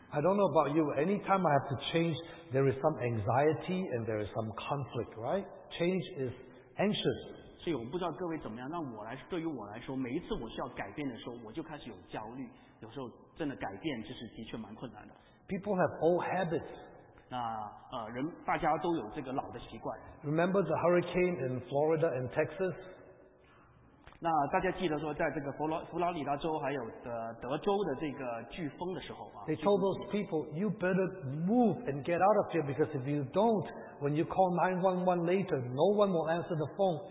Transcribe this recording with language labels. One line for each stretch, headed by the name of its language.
English: I don't know about you, anytime I have to change, there is some anxiety and there is some conflict, right? Change is anxious.
Chinese: 所以我不知道各位怎么样，但对于我来说，每一次我需要改变的时候，我就开始有焦虑，有时候真的改变就是的确蛮困难的。
English: People have old habits.
Chinese: 那人大家都有这个老的习惯。
English: Remember the hurricane in Florida and Texas?
Chinese: 那大家记得说，在这个佛罗里达州还有德州的这个飓风的时候啊。
English: They told those people, "You better move and get out of here because if you don't, when you call 911 later, no one will answer the phone.